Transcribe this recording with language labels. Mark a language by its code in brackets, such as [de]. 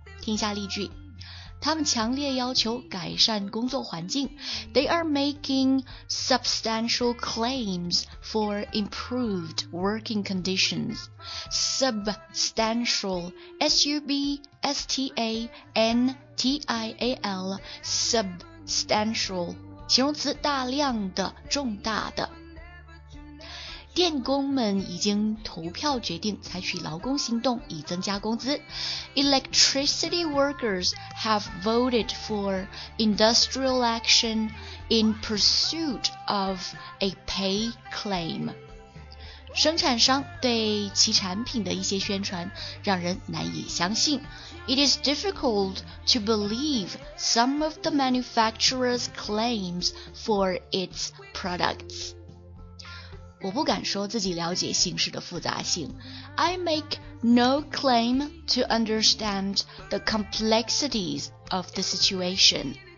[zh] 听一下例句，他们强烈要求改善工作环境。 [en] They are making substantial claims for improved working conditions. Substantial, S-U-B-S-T-A-N-T-I-A-L, substantial, [zh] 形容词，大量的、重大的。电工们已经投票决定采取劳工行动以增加工资。 [en] Electricity workers have voted for industrial action in pursuit of a pay claim. [zh] 生产商对其产品的一些宣传让人难以相信。 [en] It is difficult to believe some of the manufacturer's claims for its products. [zh] 我不敢说自己了解形势的复杂性。 [en] I make no claim to understand the complexities of the situation.